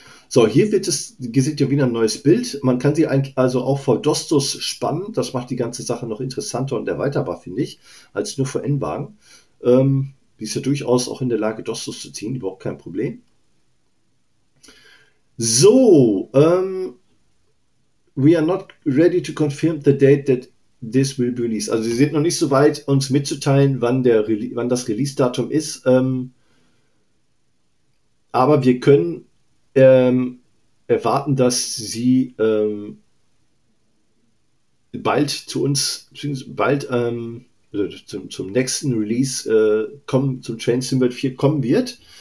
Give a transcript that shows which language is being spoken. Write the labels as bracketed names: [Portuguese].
[German] So, hier seht ihr wieder ein neues Bild. Man kann sie eigentlich also auch vor Dostos spannen. Das macht die ganze Sache noch interessanter und erweiterbar, finde ich, als nur vor N-Wagen. Die ist ja durchaus auch in der Lage, Dostos zu ziehen, überhaupt kein Problem. [English] So, we are not ready to confirm the date that this will be released. [German] Also, sie sind noch nicht so weit, uns mitzuteilen, wann das Release-Datum ist. Aber wir können erwarten, dass sie bald zu uns, bald zum nächsten Release kommen, zum Train Symbol 4 kommen wird.